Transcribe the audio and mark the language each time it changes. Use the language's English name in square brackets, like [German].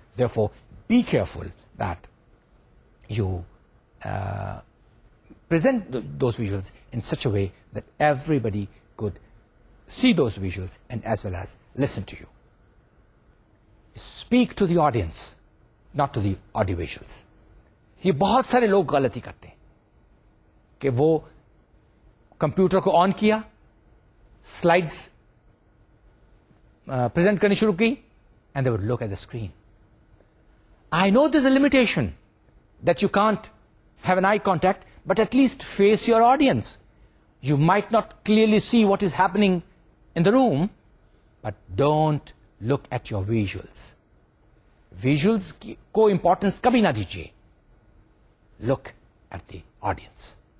[English] Therefore be careful that you present those visuals in such a way that everybody could see those visuals and as well as listen to you. Speak to the audience, not to the audio visuals. [Urdu] یہ بہت سارے لوگ غلطی کرتے ہیں کہ وہ computer کو آن کیا, سلائڈس پریزنٹ کرنی شروع کی, [English] and they would look at the screen. I know there's a limitation that you can't have an eye contact, but at least face your audience. You might not clearly see what is happening in the room, but don't look at your visuals. [Urdu] Visuals ko importance kabhi na dijiye. [English] Look at the audience.